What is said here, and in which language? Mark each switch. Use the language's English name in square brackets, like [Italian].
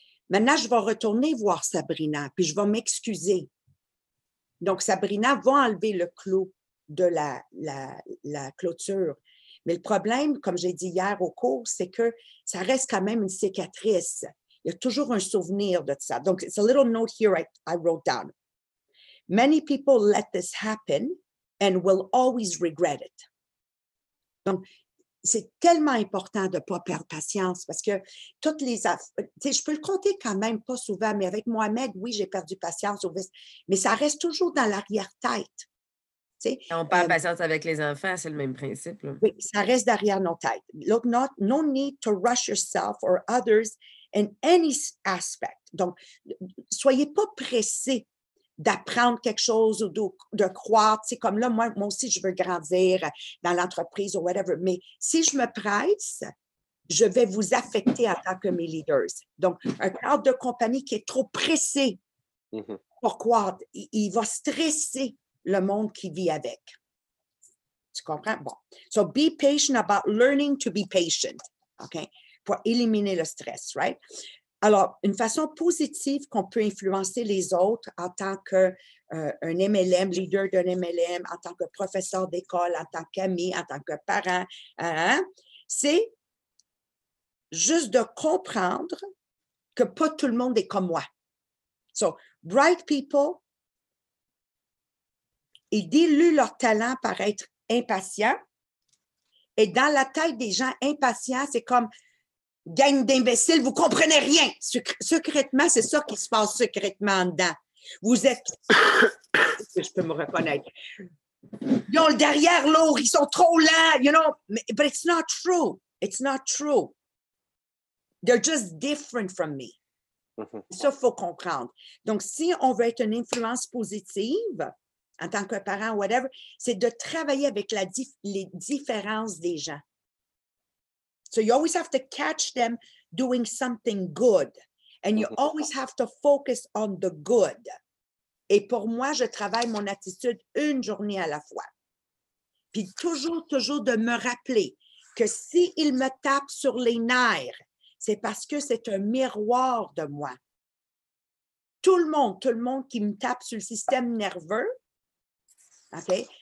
[French] Maintenant, je vais retourner voir Sabrina, puis je vais m'excuser. Donc, Sabrina va enlever le clou de la clôture. Mais le problème, comme j'ai dit hier au cours, c'est que ça reste quand même une cicatrice. Il y a toujours un souvenir de ça. [English] Donc, it's a little note here I wrote down. Many people let this happen and will always regret it. [French] Donc, c'est tellement important de ne pas perdre patience parce que toutes les affaires... Tu sais, je peux le compter quand même pas souvent, mais avec Mohamed, oui, j'ai perdu patience. Mais ça reste toujours dans l'arrière-tête. Quand on perd patience avec les enfants, c'est le même principe. Là. Oui, ça reste derrière nos têtes. [English] Look, no need to rush yourself or others in any aspect. [French] Donc, soyez pas pressés d'apprendre quelque chose ou de croître. C'est comme là, moi aussi, je veux grandir dans l'entreprise ou whatever. Mais si je me presse, je vais vous affecter en tant que mes leaders. Donc, un cadre de compagnie qui est trop pressé pour croître, il va stresser le monde qui vit avec. Tu comprends? Bon. [English] So, be patient about learning to be patient. [French] OK? Pour éliminer le stress, right? Alors, une façon positive qu'on peut influencer les autres en tant qu'un MLM, leader d'un MLM, en tant que professeur d'école, en tant qu'ami, en tant que parent, c'est juste de comprendre que pas tout le monde est comme moi. [English] So, bright people, [French] ils diluent leur talent par être impatients. Et dans la tête des gens impatients, c'est comme... Gang d'imbéciles, vous comprenez rien. Secrètement, c'est ça qui se passe secrètement en dedans. Vous êtes... Je peux me reconnaître. Ils ont le derrière lourd, ils sont trop lents, [English] you know. But it's not true. It's not true. They're just different from me. [French] Ça, il faut comprendre. Donc, si on veut être une influence positive, en tant que parent, whatever, c'est de travailler avec les différences des gens. [English] So you always have to catch them doing something good. And you always have to focus on the good. [French] Et pour moi, je travaille mon attitude une journée à la fois. Puis toujours, toujours de me rappeler que s'ils me tapent sur les nerfs, c'est parce que c'est un miroir de moi. Tout le monde qui me tape sur le système nerveux, OK?